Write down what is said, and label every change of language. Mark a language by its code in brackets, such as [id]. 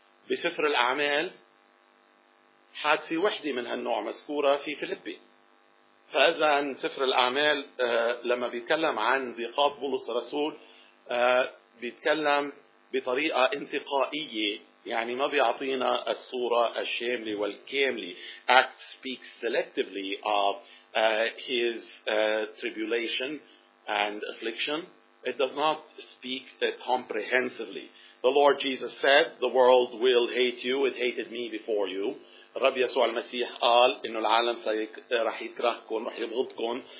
[ar] بسفر الأعمال حادثة وحدة من هالنوع مذكورة في فيليبي. فإذا سفر الأعمال لما بيتكلم عن ضيقات بولس الرسول بيتكلم بطريقة انتقائية, يعني ما بيعطينا الصورة الشاملة والكاملة. [en] Act speaks selectively of his tribulation and affliction. It does not speak comprehensively. The Lord Jesus said, the world will hate you. It hated me before you. [ar] رب يسوع المسيح قال إنه العالم رح يكرهكم, رح يبغضكم.